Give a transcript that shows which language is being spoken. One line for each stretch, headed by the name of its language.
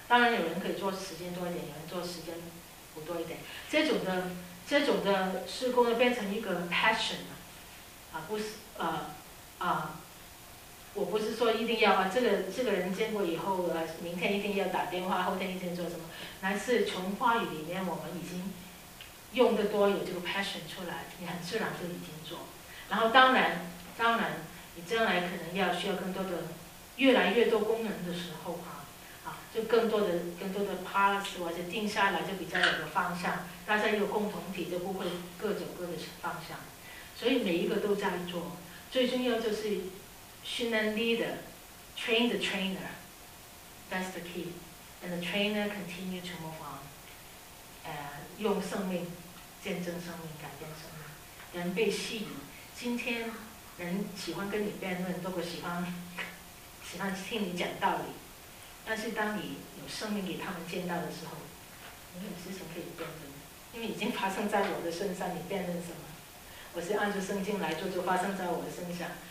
Chinese: 当然有人可以做时间多一点，有人做时间不多一点，这种的施工呢变成一个 passion 啊，不是我不是说一定要啊，这个人见过以后啊，明天一定要打电话，后天一定做什么，而是从话语里面我们已经用得多，有这个 passion 出来，你很自然就已经做。然后当然你将来可能要需要更多的越来越多功能的时候啊，就更多的 policy 或者定下来，就比较有个方向，大家有共同体，就不会各走各的方向。所以每一个都在做，最重要就是训练
English: leader， train the trainer， that's the key， and the trainer continue to move on，
Chinese: 用生命见证生命，改变生命。人被吸引，今天人喜欢跟你辩论，都会喜欢听你讲道理，但是当你有生命给他们见到的时候，你有什么可以辩论？因为已经发生在我的身上，你辩论什么？我是按着圣经来做，就发生在我的身上。